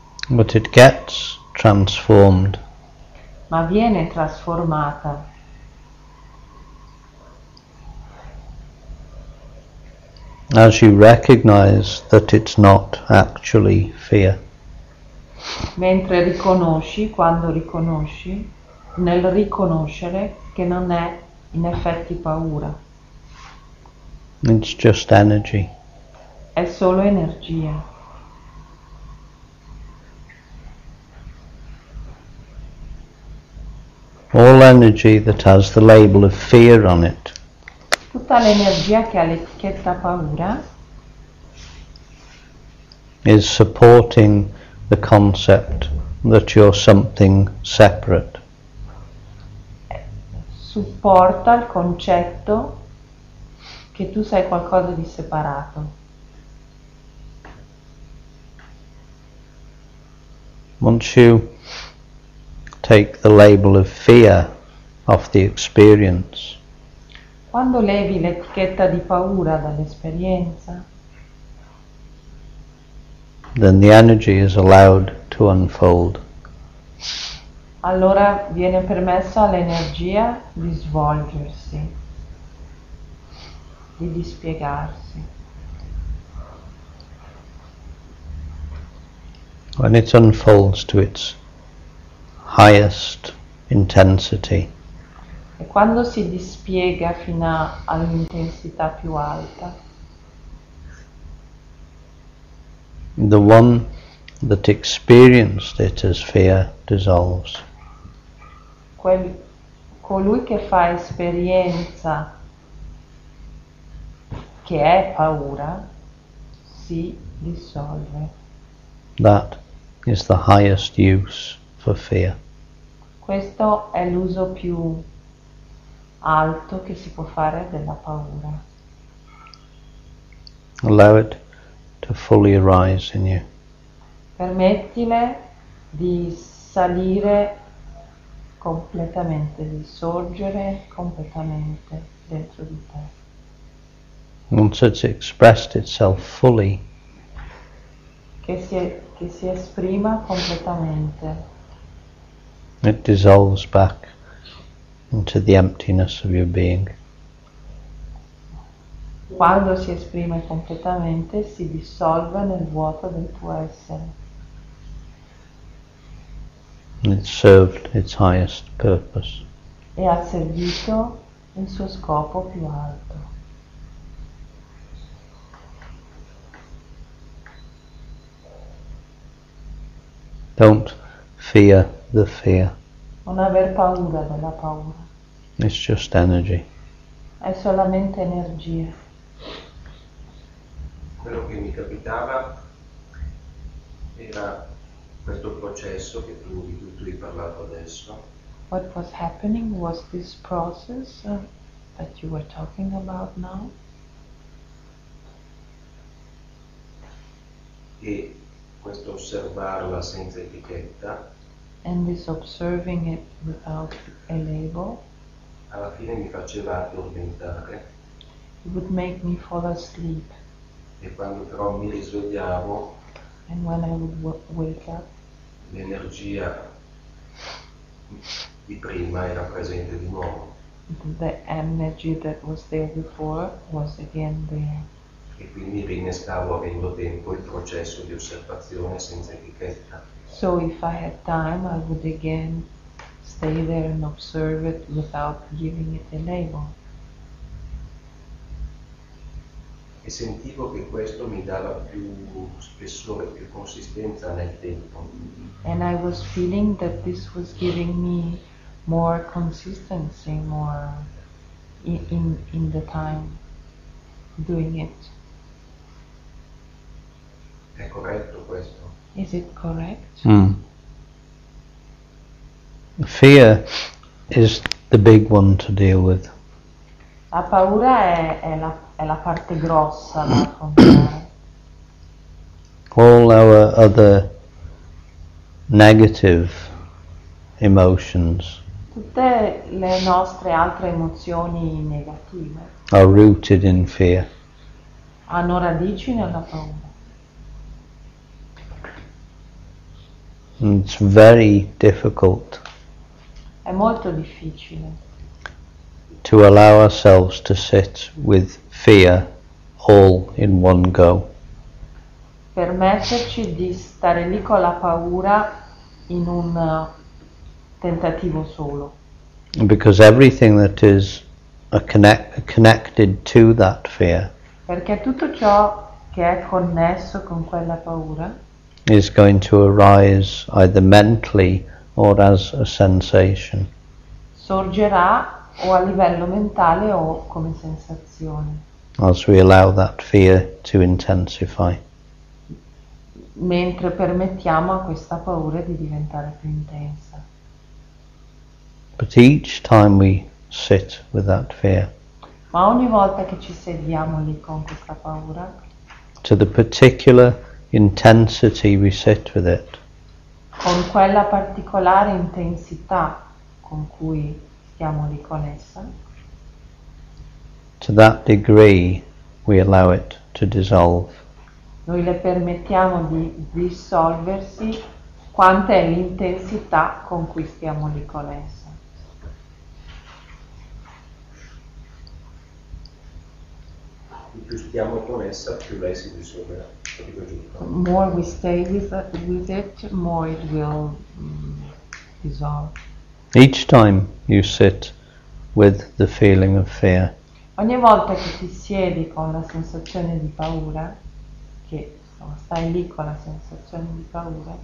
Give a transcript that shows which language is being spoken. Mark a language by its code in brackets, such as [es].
[en] But it gets transformed. [it] Ma viene trasformata. [en] As you recognize that it's not actually fear. [it] Mentre riconosci, quando riconosci, nel riconoscere che non è in effetti paura. [en] It's just energy. [it] È solo energia. [en] All energy that has the label of fear on it. [it] Tutta l'energia che ha l'etichetta paura [en] is supporting the concept that you're something separate. [it] Supporta il concetto che tu sei qualcosa di separato. [en] Once you take the label of fear off the experience, [it] quando levi l'etichetta di paura dall'esperienza, [en] then the energy is allowed to unfold. [it] Allora viene permesso all'energia di svolgersi, di dispiegarsi. [en] When it unfolds to its highest intensity. [it] E quando si dispiega fino all'intensità più alta. [en] The one that experienced it as fear dissolves. [it] Colui che fa esperienza che è paura si dissolve. [en] That is the highest use for fear. [it] Questo è l'uso più alto che si può fare della paura. [en] Allow it to fully arise in you. [it] Permettile di salire completamente, di sorgere completamente dentro di te. [en] Once it's expressed itself fully, [it] che si esprima completamente, [en] it dissolves back into the emptiness of your being. [it] Quando si esprime completamente, si dissolve nel vuoto del tuo essere. [en] It served its highest purpose. [it] E ha servito il suo scopo più alto. [en] Don't fear the fear. [it] Non aver paura della paura. [en] It's just energy. [it] È solamente energia. Quello che mi capitava era questo processo che tu, di cui tu hai parlato adesso. [en] What was happening was this process that you were talking about now. [it] E questo osservarla senza etichetta. [en] And this observing it without a label. [it] Alla fine mi faceva addormentare. [en] It would make me fall asleep. [it] E quando però mi risvegliavo. [en] And when I would wake up. [it] L'energia di prima era presente di nuovo. [en] the energy that was there before was again there. [it] E quindi rinnescavo avendo tempo il processo di osservazione senza etichetta. [en] So if I had time, I would again stay there and observe it without giving it a label. [it] E sentivo che questo mi dava più spessore, più consistenza nel tempo. [en] And I was feeling that this was giving me more consistency, more in the time doing it. [it] È corretto questo? [en] Is it correct? Mm. Fear is the big one to deal with. [it] La paura è la parte grossa da affrontare. [en] All our other negative emotions. [it] Tutte le nostre altre emozioni negative. [en] Are rooted in fear. [it] Hanno radici nella paura. [en] And it's very difficult. [it] È molto difficile. [en] To allow ourselves to sit with fear all in one go. [it] Permetterci di stare lì con la paura in un tentativo solo. [en] Because everything that is connected to that fear. [it] Perché tutto ciò che è connesso con quella paura [en] is going to arise either mentally or as a sensation. [it] Sorgerà o a livello mentale o come sensazione. [en] As we allow that fear to intensify. [it] Mentre permettiamo a questa paura di diventare più intensa. [en] But each time we sit with that fear. [it] Ma ogni volta che ci sediamo lì con questa paura. [en] To the particular intensity we sit with it. [it] Con quella particolare intensità con cui stiamo lì con essa. [en] To that degree we allow it to dissolve. [it] Noi le permettiamo di dissolversi quanta è l'intensità con cui stiamo lì con essa. Più stiamo con essa, più lei si dissolverà. [en] The more we stay with it, more it will dissolve. Each time you sit with the feeling of fear. [it] Ogni volta che ti siedi con la sensazione di paura, che stai lì con la sensazione di paura,